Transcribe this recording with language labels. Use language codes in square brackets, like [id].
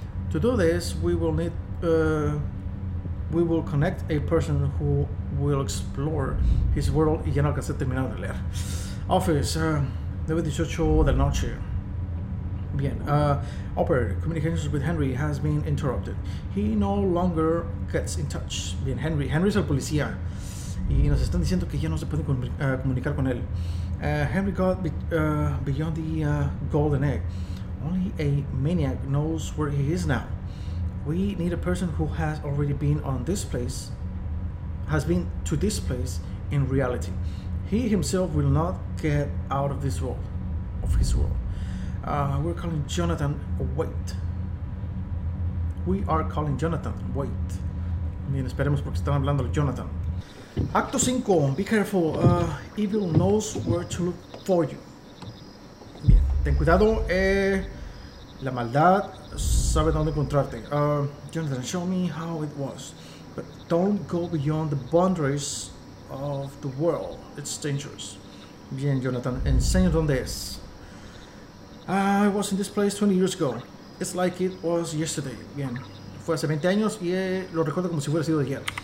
[en] To do this, we will connect a person who will explore his world. [es] Y ya no alcancé a terminar de leer. [en] Office, 9:18 [es] de la noche. [en] Bien, operator, communications with Henry has been interrupted. He no longer gets in touch. Bien, [es] Henry es el policía. Y nos están diciendo que ya no se puede comunicar con él. [en] Henry got beyond the golden egg. Only a maniac knows where he is now. We need a person who has already been on this place, has been to this place in reality. He himself will not get out of this world, of his world. We're calling Jonathan Waite. We are calling Jonathan Waite. [es] Bien, esperemos porque están hablando de Jonathan. Acto 5, [en] be careful, evil knows where to look for you. [es] Bien, ten cuidado, la maldad sabe dónde encontrarte. [en] Jonathan, show me how it was, but don't go beyond the boundaries of the world, it's dangerous. [es] Bien, Jonathan, enseña dónde es. [en] I was in this place 20 years ago, it's like it was yesterday. [es] Bien, fue hace 20 años y lo recuerdo como si hubiera sido ayer.